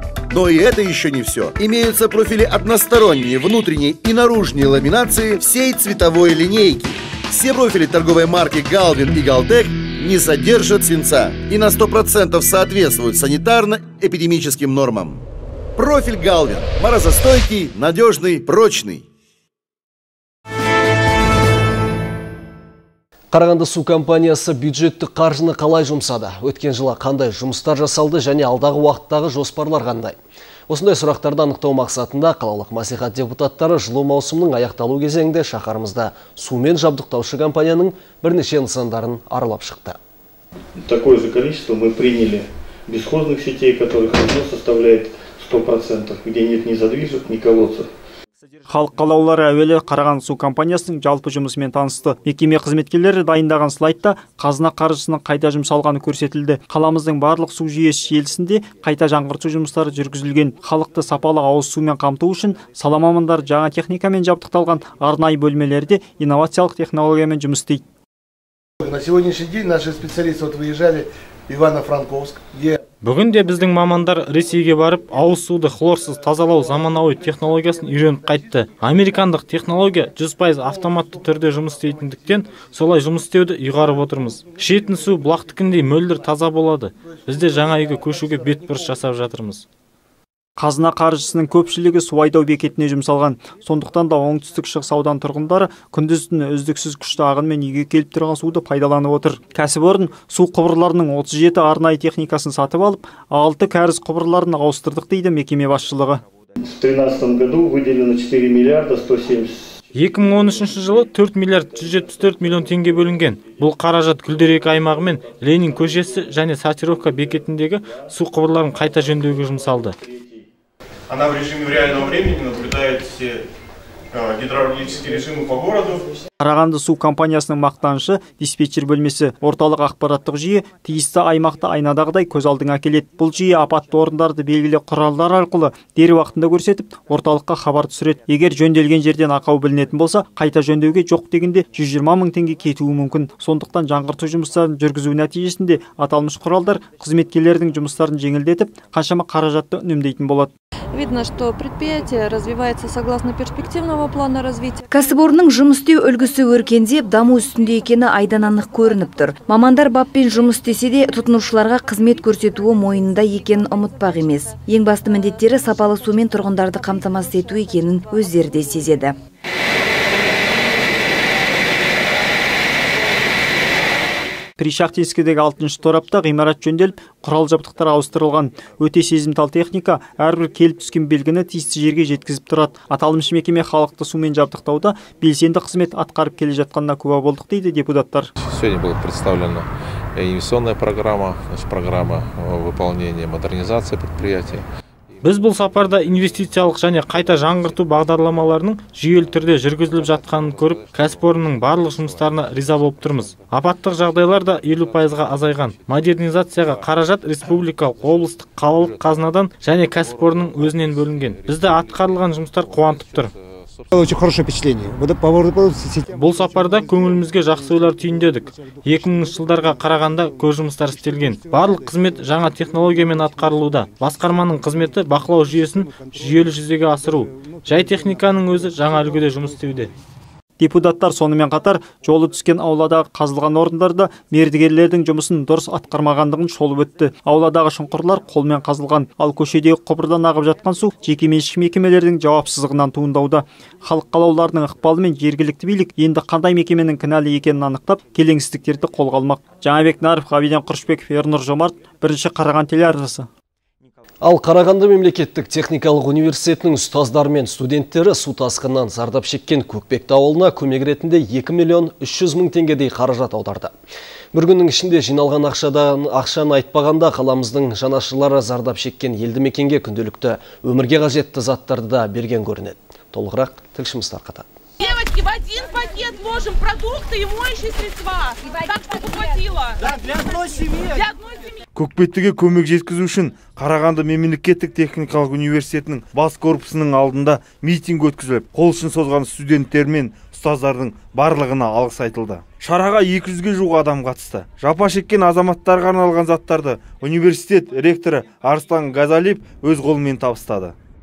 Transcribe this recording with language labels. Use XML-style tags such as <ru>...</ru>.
<ru>Но и это еще не все. Имеются профили односторонние, внутренние и наружные ламинации всей цветовой линейки. Все профили торговой марки «Галвин» и «Галтек» не содержат свинца и на 100% соответствуют санитарно-эпидемическим нормам. Профиль «Галвин» – морозостойкий, надежный, прочный.</ru> <kk>Қарағанды су компаниясы бюджетті қаржыны қалай жұмсады? Өткен жылы қандай жұмыстар жасалды және алдағы уақыттағы жоспарлар қандай? Осындай сұрақтарды анықтау мақсатында қалалық мәслихат депутаттары жылу маусымының аяқталу кезеңінде шаһарымызда сумен жабдықтаушы компанияның бірнеше нысандарын аралап шықты.</kk> <ru>Такое же количество мы приняли бесхозных сетей, которых уже составляет 100%, где нет ни задвижек, ни колодцев.</ru> <kk>Халық қалаулары әуелі Қарағанды су компаниясының жалпы жұмысымен танысты. Мекеме қызметкерлері дайындаған слайдта қазына қаржысының қайта жұмсалғаны көрсетілді. Қаламыздың барлық су жүйесі желісінде қайта жаңғырту жұмыстары жүргізілген. Халықты сапалы ауыз сумен қамту үшін сала мамандары жаңа техникамен жабдықталған арнайы бөлмелерде инновациялық технологиямен жұмыс істейді.</kk> <ru>На сегодняшний день наши специалисты вот выезжали в Ивано-Франковск.</ru> <kk>Бүгінде біздің мамандар Ресейге барып, ауыз суды хлорсыз тазалау заманауи технологиясын үйреніп қайтты. Американдық технология 100% автоматты түрде жұмыс істейтіндіктен, солай жұмыс істеуді ұйғарып отырмыз. Ішетін су бұлақтыкіндей мөлдір таза болады. Бізде жаңа үйге көшуге бетбұрыс жасап жатырмыз. Қазына қаржысының көпшілігі су айдау бекетіне жұмсалған. Сондықтан да оңтүстік шығыс аудан тұрғындары күндіз-түні үздіксіз күшті ағынмен үйге келіп тұрған суды пайдаланып отыр. Кәсіпорын су құбырларының 37 арнайы техникасын сатып алып, 6 кәріз құбырларын ауыстырдық дейді мекеме басшылығы. 2013 жылы 4 миллиард 174 миллион теңге бөлінген. Бұл қаражат Күлдерек аймағымен Ленин көшесі және Сатировка бекетіндегі су құбырларын қайта жөндеуге жұмсалды.</kk> <ru>Она в режиме в реальном времени наблюдает все гидравлические режимы по городу.</ru> <kk>Қарағанды су компаниясының мақтанышы диспетчер бөлмесі орталық ақпараттық жүйе тиісті аймақты айнадағыдай көз алдыңа келеді. Бұл жүйе апатты орындарды белгілі құралдар арқылы дер уақытында көрсетіп, орталыққа хабар түсіреді. Егер жөнделген жерден ақау білінетін болса, қайта жөндеуге жоқ дегенде 120 мың теңге кетуі мүмкін. Сондықтан жаңғырту жұмыстарын жүргізу нәтижесінде аталмыш құралдар қызметкерлердің жұмыстарын жеңілдетіп, қаншама қаражатты үнемдейтін болады.</kk> <ru>Видно, что предприятие развивается согласно перспективного плана развития.</ru> <kk>Кәсіпорынның жұмыс істеу үлгісі өркендеп, даму үстінде екені айдан анық көрініп тұр. Мамандар баппен жұмыс істесе де, тұтынушыларға қызмет көрсетуі мойнында екенін ұмытпақ емес. Ең басты міндеттері сапалы сумен тұрғындарды қамтамасыз ету екенін өздері де сезеді. Кришахтинскийдегі 6-шы торапта ғимарат жөнделіп, құрал жабдықтар ауыстырылған. Өте сезімтал техника әрбір келіп түскен белгіні тиісті жерге жеткізіп тұрады. Аталмыш мекеме халықты сумен жабдықтауда белсенді қызмет атқарып келе жатқанына куә болдық, дейді депутаттар.</kk> <ru>Сегодня была представлена инвестиционная программа, программа выполнения модернизации предприятия.</ru> <kk>Біз бұл сапарда инвестициялық және қайта жаңғырту бағдарламаларының жүйелі түрде жүргізіліп жатқанын көріп, кәсіпорынның барлық жұмыстарына риза болып тұрмыз. Апаттық жағдайлар да 50%-ға азайған. Модернизацияға қаражат республикалық, облыстық, қалалық қазынадан және кәсіпорынның өзінен бөлінген. Бізді атқарылған жұмыстар қуантып тұр.</kk> <ru>Очень хорошее впечатление.</ru> <kk>Бұл сапарда көңілімізге жақсы ойлар түйіндедік. 2000 жылдарға қарағанда көз жұмыстар істелген. Барлық қызмет жаңа технологиямен атқарылуда. Басқарманың қызметі бақылау жүйесін жүйелі жүзеге асыру. Жай техниканың өзі жаңа үлгіде жұмыс істеуде. Депутаттар сонымен қатар жолы түскен ауладағы қазылған орындарда мердігерлердің жұмысын дұрыс атқармағандығын шолып өтті. Ауладағы шұңқырлар қолмен қазылған, ал көшедегі құбырдан ағып жатқан су жекеменшік мекемелердің жауапсыздығынан туындауда. Халық қалаулыларының ықпалымен жергілікті билік енді қандай мекеменің кінәлі екенін анықтап, келеңсіздіктерді қолға алмақ. Жаңабек Нарып, Ғабиден Құрышбеков, Ернұр Жомарт, 1-ші Қараған телеарнасы. Ал Қарағанды мемлекеттік техникалық университетінің ұстаздары мен студенттері су тасқынан зардап шеккен Көкпекті ауылына көмек ретінде 2 миллион 300 мың теңгедей қаражат аударды. Бір күннің ішінде жиналған ақшаны айтпағанда қаламыздың жанашырлары зардап шеккен елді мекенге күнделікті өмірге қажетті заттарды да берген көрінеді. Толығырақ тілшіміз тарқатады.</kk> <ru>Девочки, в один пакет вложим продукты и моющие средства. Так что хватило. Да, для одной семьи. Для одной семьи.</ru> <kk>Көкпеттіге көмек жеткізу үшін Қарағанды мемлекеттік техникалық университетінің бас корпусының алдында митинг өткізіліп, қол ұшын созған студенттер мен ұстаздардың барлығына алғыс айтылды. Шараға 200-ге жуық адам қатысты. Жапа шеккен азаматтарға арналған заттарды университет ректоры Арстан Газалиев өз қолымен табыстады.</kk>